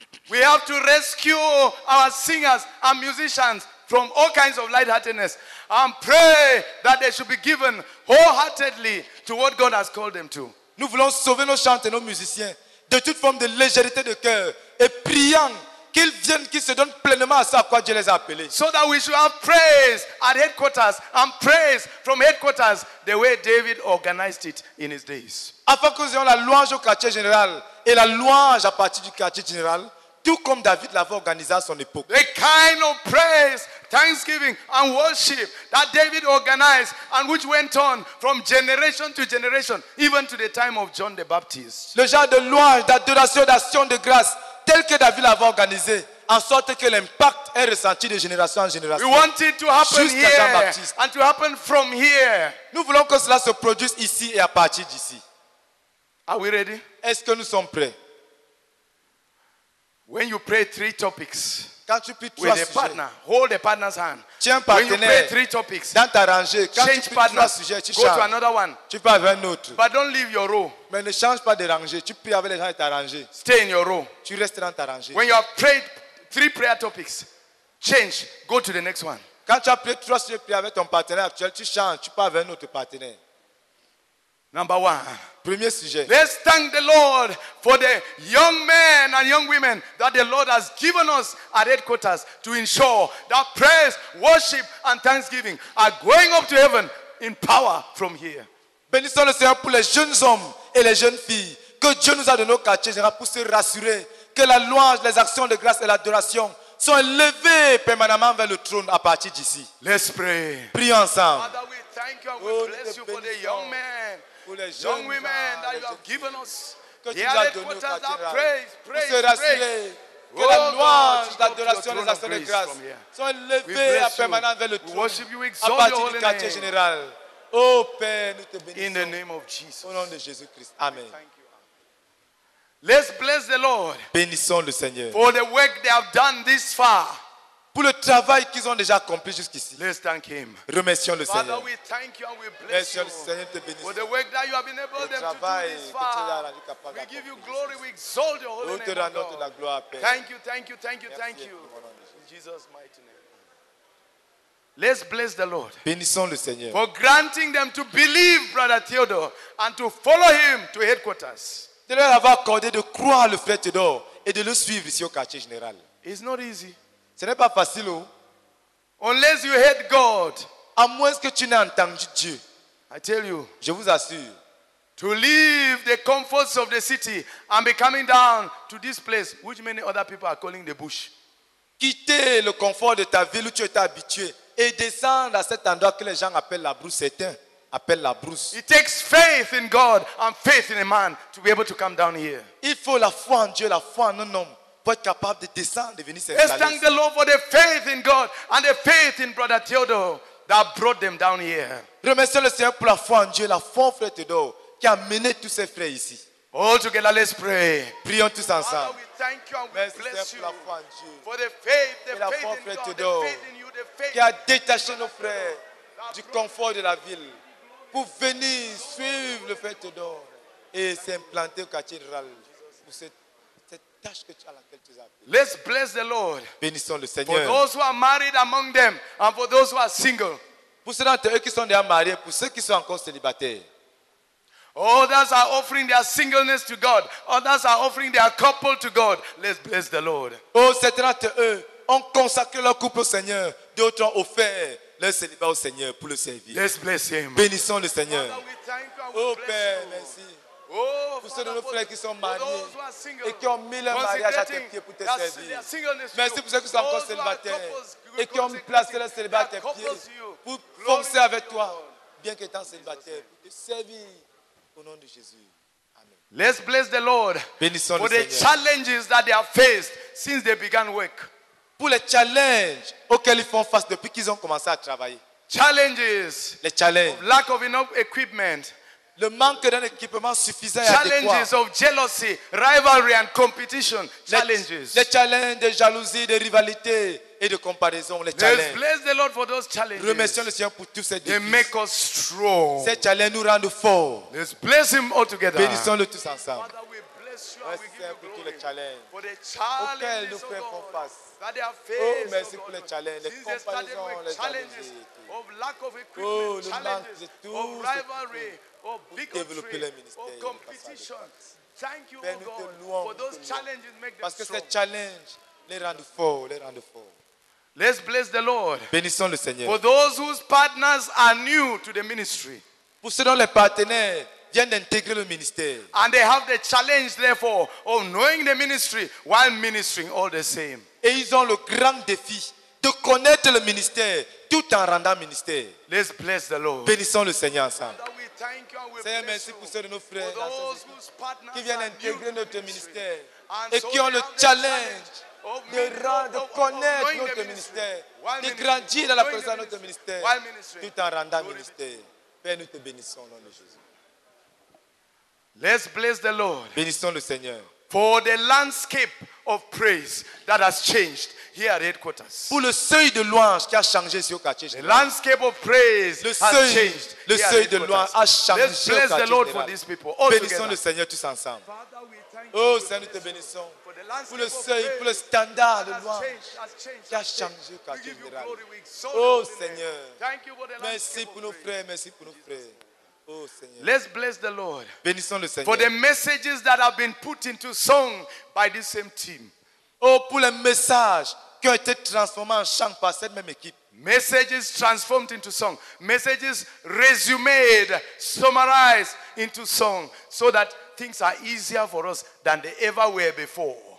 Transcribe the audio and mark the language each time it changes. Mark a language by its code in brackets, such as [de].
[en] We have to rescue our singers and musicians from all kinds of lightheartedness and pray that they should be given wholeheartedly to what God has called them to. [fr] Nous voulons sauver nos chants et nos musiciens de toute forme de légèreté de cœur et priant qu'ils viennent, qu'ils se donnent pleinement à ce à quoi Dieu les a appelés. [en] So that we should have praise at headquarters and praise from headquarters the way David organized it in his days. [fr] Afin que nous ayons la louange au quartier général et la louange à partir du quartier général, tout comme David l'avait organisé à son époque. [en] The kind of praise, thanksgiving and worship that David organized and which went on from generation to generation, even to the time of John the Baptist. [fr] Le genre de louange, d'adoration, d'action de grâce, tel que David l'avait organisé, en sorte que l'impact est ressenti de génération en génération. [en] We want it to happen here and to happen from here. [fr] Nous voulons que cela se produise ici et à partir d'ici. [en] Are we ready? [fr] Est-ce que nous sommes prêts? [en] When you pray three topics, [fr] quand tu pries trois [en] with a [fr] sujets, [en] partner, hold a partner's hand. [fr] Tiens partenaire, [en] when you pray three topics, [fr] dans ta rangée, quand [en] change [fr] tu pries trois sujets, tu changes. [en] Go to another one. [fr] Tu peux avoir un autre. [en] But don't leave your row. [fr] Mais ne change pas de rangée. Tu pries avec les gens de ta rangée. [en] Stay in your row. [fr] Tu restes dans ta rangée. [en] When you have prayed three prayer topics, change. Go to the next one. [fr] Quand tu as prié trois sujets, prie avec ton partenaire actuel. Tu changes. Tu peux avoir un autre partenaire. [en] Number one. [fr] Premier sujet. [en] Let's thank the Lord for the young men and young women that the Lord has given us at headquarters to ensure that praise, worship, and thanksgiving are going up to heaven in power from here. [fr] Bénissons le Seigneur pour les jeunes hommes et les jeunes filles que Dieu nous a donné au quartier pour se rassurer que la louange, les actions de grâce et l'adoration sont élevées permanemment vers le trône à partir d'ici. [en] Let's pray. [fr] Prions ensemble. [en] Father, we thank you and we bless you for the young men. Young women that you have given us, the headquarters that praise. [fr] Que la louange, l'adoration, les actions de grâce sont élevées à permanent vers le trône à partir du quartier général. Oh Père, nous te bénissons. [en] In the name of Jesus. [fr] Au nom de Jésus Christ. Amen. [en] Let's bless the Lord. [fr] Bénissons le Seigneur. [en] For the work they have done this far. [fr] Pour le travail qu'ils ont déjà accompli jusqu'ici. [en] Let's thank him. [fr] Remercions le [en] Father, [fr] Seigneur. [en] Father, we thank you and we bless you. [fr] Le Seigneur te bénisse. [en] For the work that you have enabled them to do this far. We give you glory, we exalt your holy name. Thank you, thank you, thank you, thank you. [fr] Merci, [en] thank you. In Jesus' mighty name. Let's bless the Lord. [fr] Bénissons le Seigneur. [en] For granting them to believe Brother Theodore and to follow him to headquarters. [fr] De leur avoir accordé de croire le frère Theodore et de le suivre ici au quartier général. [en] It's not easy. [fr] Ce n'est pas facile, oh. [en] Unless you hate God. [fr] À moins que tu n'aies entendu Dieu. [en] I tell you. [fr] Je vous assure. [en] To leave the comforts of the city and be coming down to this place which many other people are calling the bush. [fr] Quitter le confort de ta ville où tu étais habitué et descendre à cet endroit que les gens appellent la brousse. Certains appellent la brousse. [en] It takes faith in God and faith in a man to be able to come down here. [fr] Il faut la foi en Dieu, la foi en un homme pour être capable de descendre et venir [en] s'installer. Let's thank the Lord for the faith in God and the faith in Brother Theodore that brought them down here. [fr] Remercions le Seigneur pour la foi en Dieu, la foi en Frère Theodore qui a mené tous ses frères ici. [en] All together, let's pray. [fr] Prions tous ensemble. [en] Thank you and we [fr] Merci [en] bless you [fr] la foi en Dieu. [en] For the faith, the faith in God, the faith in you, the faith [fr] qui a détaché nos frères du confort de la ville pour venir suivre le frère Théodore et s'implanter au cathédral pour cette tâche que tu as laquelle tu as appelé. [en] Let's bless the Lord. [fr] Bénissons le Seigneur. [en] For those who are married among them and for those who are single. [fr] Pour ceux d'entre eux qui sont déjà mariés, pour ceux qui sont encore célibataires. [en] Others are offering their singleness to God. Others are offering their couple to God. Let's bless the Lord. [fr] Oh, certains d'entre eux ont consacré leur couple au Seigneur. D'autres ont offert leur célibat au Seigneur pour le servir. [en] Let's bless him. [fr] Bénissons le Seigneur. [en] Father, [fr] oh Père, merci. Oh, pour ceux de nos frères qui sont mariés [en] single, [fr] et qui ont mis leur mariage à tes pieds pour te servir. Merci pour ceux qui sont encore célibataires et qui ont placé leur célibat à tes pieds pour foncer avec toi, bien qu'étant célibataire, pour te servir. Au nom de Jésus. Amen. [en] Let's bless the Lord [fr] Bénissons [en] for the [fr] Seigneur. [en] Challenges that they have faced since they began work. [fr] Pour les challenges auxquels ils font face depuis qu'ils ont commencé à travailler. [en] Challenges. [fr] Les challenges. [en] Of lack of enough equipment. [fr] Le manque d'un équipement suffisant. [en] Challenges [fr] et adéquat. [en] Of jealousy, rivalry and competition. Challenges. [fr] Les challenges de jalousie, de rivalité et de comparaison. Les [en] Let's [fr] challenges. [en] Bless the Lord for those challenges. [fr] Remercions le Seigneur pour tous ces défis. [en] They make us strong. [fr] Ces challenges nous rendent forts. [en] Let's bless him all together. [fr] Bénissons-le tous ensemble. [en] Father, we bless you [fr] merci [en] and we give [fr] pour [en] you [fr] tous les challenges. [en] For the challenges [fr] auxquels nous faisons [en] Lord, [fr] face. [en] That they have faced, [fr] oh, merci [en] Lord, [fr] pour les challenges, les comparaisons, les [en] challenges of lack of equipment, oh, challenges [fr] le manque de tout, [en] of rivalry, of bigotry, [fr] pour développer le ministère, [en] of competition. Thank you, [fr] ben [en] oh God, [fr] te louons, [en] for those [fr] te louons. [en] Challenges make them [fr] parce que [en] strong. [fr] Ces challenges les rendent forts, les rendent forts. [en] Let's bless the Lord. [fr] Bénissons le Seigneur. [en] For those whose partners are new to the ministry. [fr] Pour ceux dont les partenaires viennent d'intégrer le ministère. [en] And they have the challenge, therefore, of knowing the ministry while ministering all the same. [fr] Et ils ont le grand défi de connaître le ministère tout en rendant ministère. [en] Let's bless the Lord. [fr] Bénissons le Seigneur ensemble. [en] Father, we thank you and we [fr] Seigneur, merci pour ceux de nos frères [en] those whose partners [fr] qui viennent intégrer notre ministère [en] and [fr] et [en] so [fr] qui ont le challenge de connaître notre ministère, de grandir dans la présence de notre ministère, tout en rendant ministère. Père, nous te bénissons au nom de Jésus. [en] Let's bless the Lord. [fr] Bénissons le Seigneur. [en] For the landscape of praise that has changed here at headquarters. [fr] Pour le seuil de louange qui a changé ici au quartier général. [en] The landscape of praise [fr] le seuil, [en] has changed [fr] le [en] here [fr] seuil [en] at headquarters. [fr] De louange a changé [en] Let's bless [fr] au quartier [en] the Lord [fr] général. [en] For these people. All [fr] bénissons [en] together. [fr] Le Seigneur tous ensemble. [en] Father, we thank oh you [fr] Seigneur, nous te bénissons. [en] For the landscape [fr] pour le seuil, [en] of praise [fr] pour le standard [en] that has [fr] de louange [en] changed, [fr] qui a changé au quartier général. [en] Glory, [fr] oh Seigneur, [en] thank you for the [fr] merci pour nos frères, merci pour [en] Jesus. [fr] Nos frères. [en] Let's bless the Lord. [fr] Bénissons le Seigneur. [en] For the messages that have been put into song by this same team. [fr] Oh, pour les messages qui ont été transformés en chant par cette même équipe. [en] Messages transformed into song. Messages resumed, summarized into song, so that things are easier for us than they ever were before.